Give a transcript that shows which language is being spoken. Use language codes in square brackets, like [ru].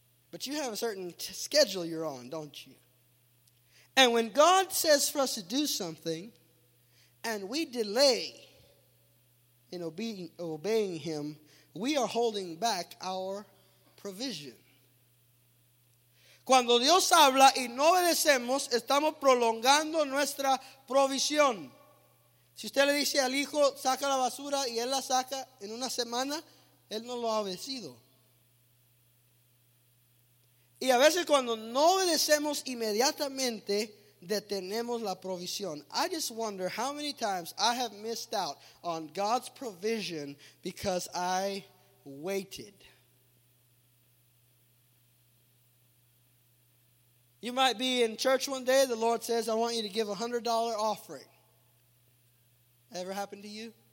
[en] But you have a certain schedule you're on, don't you? And when God says for us to do something, and we delay in obeying him, we are holding back our provision. [es] Cuando Dios habla y no obedecemos, estamos prolongando nuestra provisión. Si usted le dice al hijo, saca la basura y él la saca en una semana, él no lo ha obedecido. Y a veces cuando no obedecemos inmediatamente, detenemos la provisión. [en] I just wonder how many times I have missed out on God's provision because I waited. You might be in church one day, the Lord says, I want you to give a $100 offering. Ever happened to you?